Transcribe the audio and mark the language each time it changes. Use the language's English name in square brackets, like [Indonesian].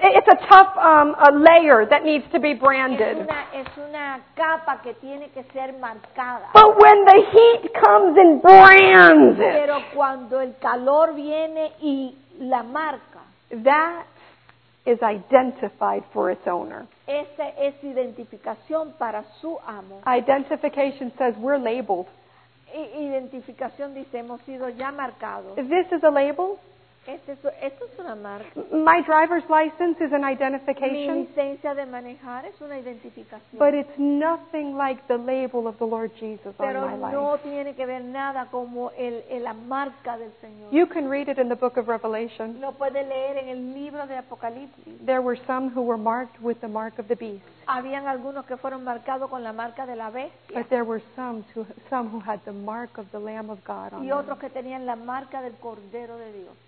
[English] It's a tough a layer that needs to be branded. [Spanish] Es una capa que tiene que ser marcada. [English] But when the heat comes and brands it. [Spanish] Pero cuando el calor viene y la marca, [English] that is identified for its owner. [Spanish] Esa es identificación para su amo. [English] Identification says we're labeled. [Spanish] Identificación dice hemos sido ya marcados. [English] This is a label. [Spanish] Esto es una marca. [English] My driver's license is an identification. [Spanish] Mi licencia de manejar es una identificación. [English] But it's nothing like the label of the Lord Jesus [Spanish] pero [English] on my life. [Spanish] Pero no tiene que ver nada como la marca del Señor. [English] You can read it in the book of Revelation. [Spanish] Lo puede leer en el libro de Apocalipsis. [English] There were some who were marked with the mark of the beast. [Spanish] Habían algunos que fueron marcados con la marca de la bestia. [English] But there were some who had the mark of the Lamb of God on them. [Spanish] Y otros que tenían la marca del Cordero de Dios.